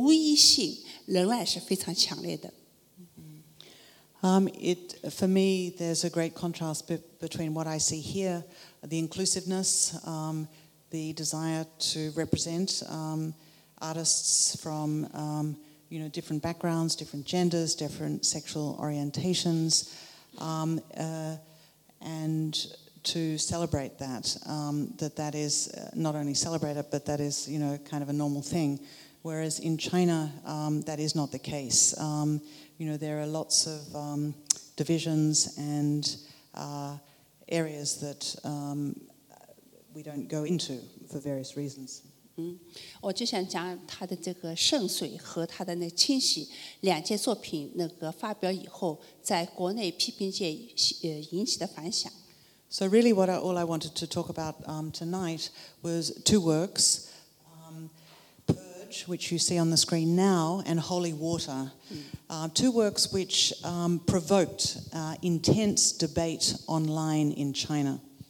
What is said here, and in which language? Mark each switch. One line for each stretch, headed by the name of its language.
Chinese: 和在这个澳大利亚昆士兰美术馆我们所看到的那么能包容不同文化能包容各种不同的意见能有各种表现的这个艺术能够在一个场地里面呈现完全不同的是中国的艺术和中国的文化它的排外性它的独一性仍然是非常强烈的。
English: For me, there's a great contrast between what I see here, the inclusiveness, the desire to represent artists from different backgrounds, different genders, different sexual orientations, And to celebrate that, that is not only celebrated, but that is, you know, kind of a normal thing. Whereas in China, that is not the case. You know, there are lots of divisions and areas that we don't go into for various reasons.
Chinese: 我就想讲他的这个圣水和他的那清洗两件作品那个发表以后在国内批评界引起的反响。
English: So really what all I wanted to talk about tonight was two works, Purge, which you see on the screen now, and Holy Water, two works which provoked intense debate online in China.